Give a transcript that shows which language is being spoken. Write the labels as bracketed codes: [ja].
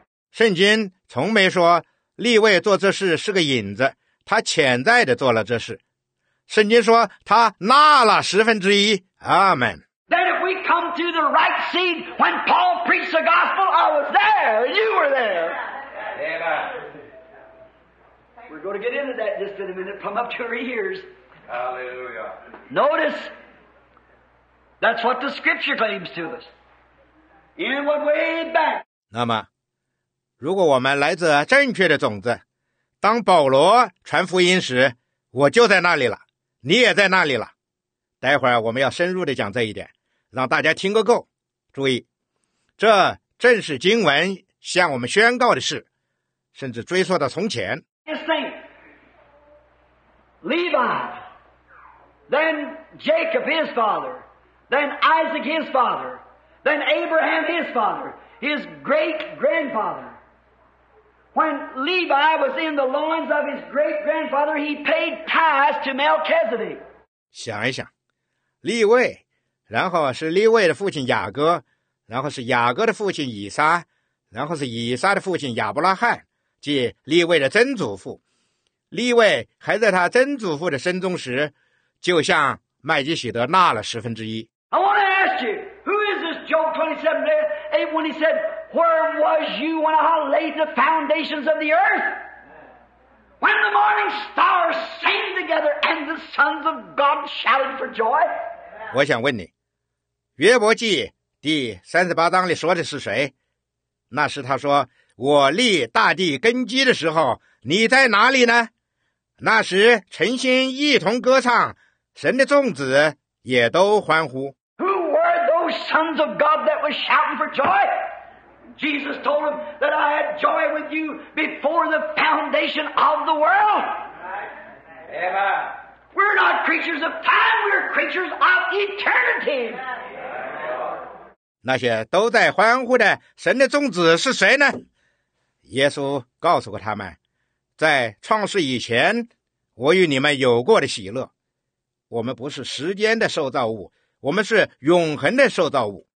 [zh] 圣经从没说利未做这事是个影子，他潜在的做了这事。圣经说他纳了十分之一。 [en] Amen. That if we come to the right seed when Paul preached the gospel, I was there, you were there. Amen. We're going to get into that just in a minute, come up to our ears. Hallelujah. Notice, that's what the scripture claims to us. In what way back. [zh] 那么，如果我们来自正确的种子，当保罗传福音时，我就在那里了，你也在那里了。待会儿我们要深入地讲这一点，让大家听个够。注意，这正是经文向我们宣告的事，甚至追溯到从前。 [en] Just think, Levi, then Jacob his father, then Isaac his father, then Abraham his father, his great-grandfather. When Levi was in the loins of his great-grandfather, he paid tithes to Melchizedek. [zh] 想一想，利未，然后是利未的父亲雅各，然后是雅各的父亲以撒，然后是以撒的父亲亚伯拉罕。即利未的曾祖父，利未还在他曾祖父的身中时，就向麦基洗德纳了十分之一。 [en] I want to ask you, who is this Job 27:8 when he said, "Where was you when I laid the foundations of the earth? When the morning stars sang together and the sons of God shouted for joy?" [zh] 我想问你，约伯记第三十八章里说的是谁？那是他说。我立大地根基的时候，你在哪里呢？那时诚心一同歌唱，神的众子也都欢呼。 [en] Who were those sons of God that were shouting for joy? Jesus told them that I had joy with you before the foundation of the world. Amen. We're not creatures of time, we're creatures of eternity. [zh] 那些都在欢呼的神的众子是谁呢？耶稣告诉过他们，在创世以前，我与你们有过的喜乐。我们不是时间的受造物，我们是永恒的受造物。